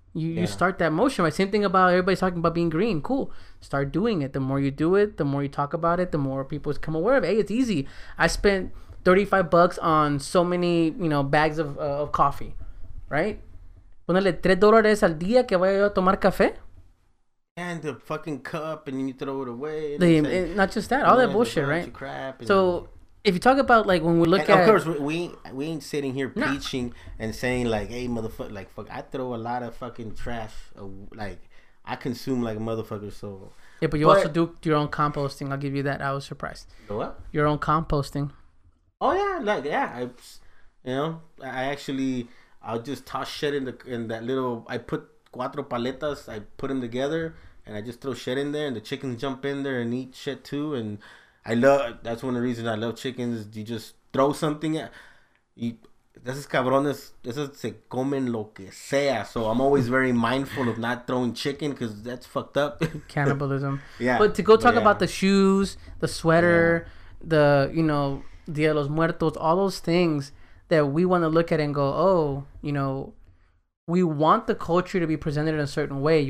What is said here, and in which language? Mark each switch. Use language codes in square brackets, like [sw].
[en] You start that motion, right? Same thing about everybody's talking about being green. Cool. Start doing it. The more you do it, the more you talk about it, the more people become aware of it. Hey, it's easy. I spent $35 on so many, you know, bags of coffee, right? [es] Ponele $3 al día que vaya a tomar café. [en] And the fucking cup, and you throw it away. Not just that. All that bullshit, right? So... if you talk about, like, when we look Of course, we ain't sitting here preaching and saying, like, hey, motherfucker, like, fuck, I throw a lot of fucking trash. Like, I consume like a motherfucker, so. Yeah, but also do your own composting. I'll give you that. I was surprised. What? Your own composting. Oh, yeah. Like, yeah. I'll just toss shit I put [es] cuatro paletas. [en] I put them together, and I just throw shit in there, and the chickens jump in there and eat shit, too, and. That's one of the reasons I love chickens. You just throw something at you. [es] Esos cabrones, esos se comen lo que sea. [en] So I'm always very mindful of not throwing chicken because that's fucked up. Cannibalism. Yeah. But to go talk about the shoes, the sweater, the, you know, Dia de los Muertos, all those things that we want to look at and go, oh, you know, we want the culture to be presented in a certain way.